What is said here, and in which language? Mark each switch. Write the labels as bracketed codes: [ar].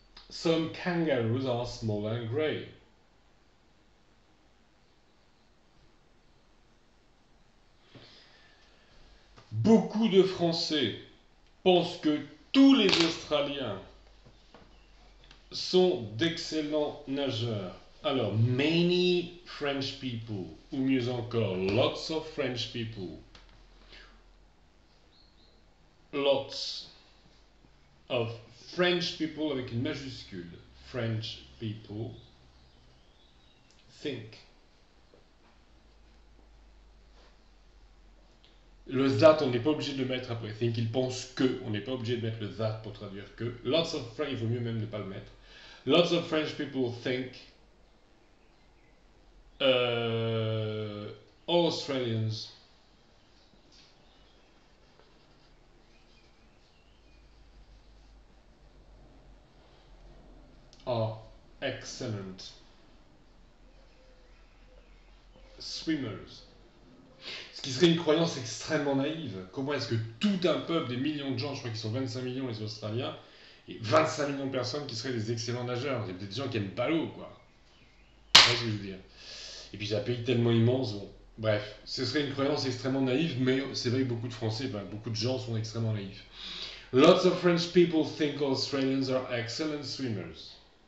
[en] Some kangaroos are small and grey. [fr] Beaucoup de Français pensent que tous les Australiens sont d'excellents nageurs. Alors, [en] many French people, [fr] ou mieux encore, [en] lots of French people. Lots of French people, [fr] avec une majuscule, [en] French people, think. [fr] Le that, on n'est pas obligé de le mettre après think, ils pensent que, on n'est pas obligé de mettre le that pour traduire que. [en] Lots of French, [fr] il vaut mieux même ne pas le mettre. [en] Lots of French people think all Australians are excellent swimmers. [fr] Ce qui serait une croyance extrêmement naïve. Comment est-ce que tout un peuple, des millions de gens, je crois qu'ils sont 25 millions les Australiens, et 25 millions de personnes qui seraient des excellents nageurs. Il y a peut-être des gens qui n'aiment pas l'eau, quoi. Tu vois ce que je veux dire. Et puis c'est un pays tellement immense. Bon. Bref, ce serait une croyance extrêmement naïve, mais c'est vrai que beaucoup de Français, ben, beaucoup de gens sont extrêmement naïfs. [en] Lots of French people think Australians are excellent swimmers.